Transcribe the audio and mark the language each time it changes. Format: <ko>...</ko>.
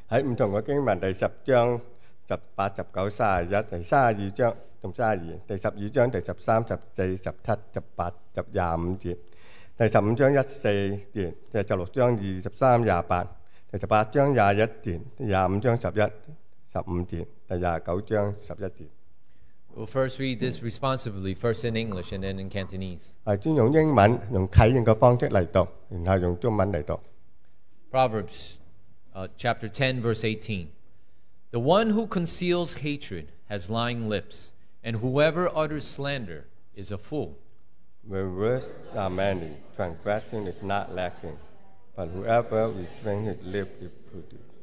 <yue>喺唔同嘅经文，第十章、十八、十九、三十一、第三十二章同三十二、第十二章、第十三、十四、十七、十八、十廿五节，第十五章一四节，第十六章二十三、廿八，第十八章廿一节，廿五章十一、十五节，第廿九章十一节。</yue> <en>We'll first read this responsibly, first in English and then in Cantonese.</en> <yue>先用英文，用啟應嘅方式嚟讀，然後用中文嚟讀。</yue> <en>Proverbs, chapter 10, verse 18. The one who conceals hatred has lying lips, and whoever utters slander is a fool. Where words are many, transgression is not lacking, but whoever restrains his lip is prudent.</en>